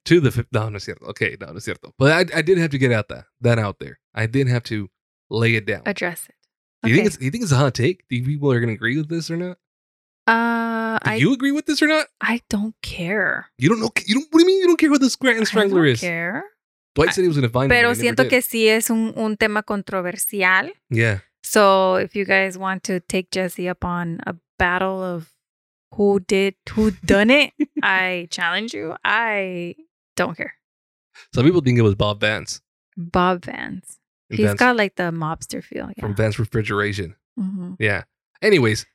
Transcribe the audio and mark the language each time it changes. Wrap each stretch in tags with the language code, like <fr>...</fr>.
<en>To the...</en> <es>No es cierto.</es> <en>But I did have to get out that out there. I did have to lay it down. Address it. Okay. Do you think it's a hot take? Do you people are going to agree with this or not? Do you agree with this or not? I don't care. You don't know? You don't, what do you mean you don't care what the Scranton Strangler is? I don't care. Dwight said he was going to find it.</en> <es>Pero siento que sí es un tema controversial.</es> <en>Yeah. So if you guys want to take Jesse up on a battle of who done it, I challenge you. I don't care. Some people think it was Bob Vance. Bob Vance. He's Vance, got like the mobster feel. Yeah. From Vance Refrigeration. Mm-hmm. Yeah. Anyways.</en>